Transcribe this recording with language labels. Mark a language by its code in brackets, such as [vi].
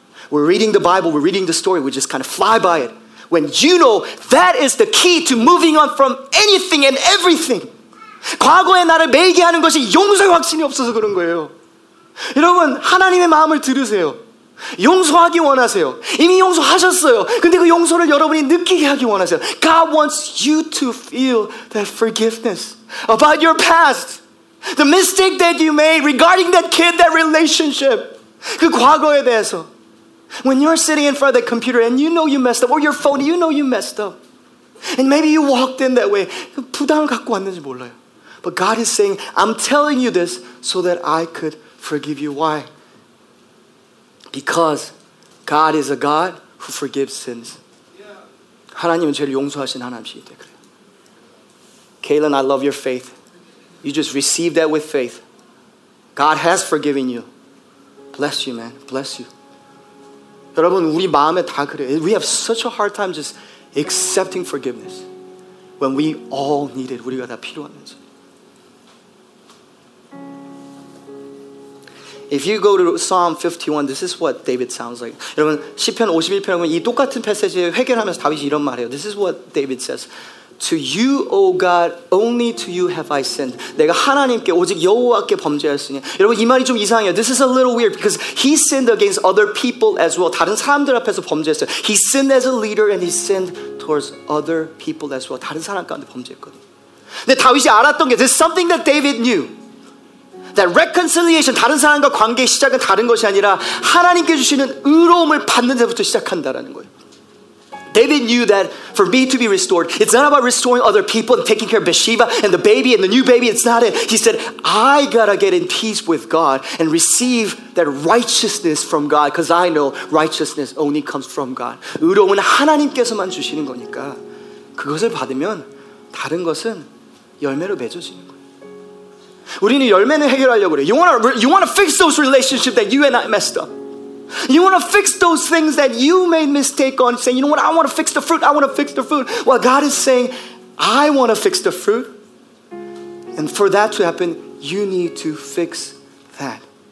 [en] We're reading the Bible, we're reading the story, we just kind of fly by it. When you know that is the key to moving on from anything and everything. [ko] 과거에 나를 매개하는 것이 용서의 확신이 없어서 그런 거예요. 여러분, 하나님의 마음을 들으세요. 용서하기 원하세요. 이미 용서하셨어요. 근데 그 용서를 여러분이 느끼게 하기 원하세요. [en] God wants you to feel that forgiveness about your past. The mistake that you made regarding that kid, that relationship. [ko] 그 과거에 대해서. [en] When you're sitting in front of the computer and you know you messed up, or your phone, you know you messed up. And maybe you walked in that way. [ko] 부담을 갖고 왔는지 몰라요. [en] But God is saying, I'm telling you this so that I could forgive you. Why? Because God is a God who forgives sins. [ko] 하나님은 죄를 용서하신 하나님이시기 때문에 그래요. [en] Kaylin, I love your faith. You just receive that with faith. God has forgiven you. Bless you, man. Bless you. [ko] 여러분, 우리 마음에 다 그래. [en] We have such a hard time just accepting forgiveness when we all need it. [ko] 우리가 다 필요하면서. [en] If you go to Psalm 51, this is what David sounds like. [ko] 여러분, 시편 51편 보면 이 똑같은 패시지에 회개하면서 다윗이 이런 말해요. [en] This is what David says. To you, O God, only to you have I sinned. [ko] 내가 하나님께 오직 여호와께 범죄하였으니. 여러분 이 말이 좀 이상해요. [en] This is a little weird because he sinned against other people as well. [ko] 다른 사람들 앞에서 범죄했어요. [en] He sinned as a leader and he sinned towards other people as well. [ko] 다른 사람 가운데 범죄했거든요. 근데 다윗이 알았던 게 [en] this is something that David knew. That reconciliation, [ko] 다른 사람과 관계의 시작은 다른 것이 아니라 하나님께 주시는 의로움을 받는 데부터 시작한다라는 거예요. [en] David knew that for me to be restored, it's not about restoring other people and taking care of Bathsheba and the baby and the new baby. It's not it. He said, I gotta get in peace with God and receive that righteousness from God because I know righteousness only comes from God. [ko] 의로움은 하나님께서만 주시는 거니까 그것을 받으면 다른 것은 열매로 맺어지는 거예요. 우리는 열매는 해결하려고 그래. [en] You wanna fix those relationships that you and I messed up. You want to fix those things that you made mistake on, saying, you know what, I want to fix the fruit, I want to fix the fruit. Well, God is saying, I want to fix the fruit. And for that to happen, you need to fix that.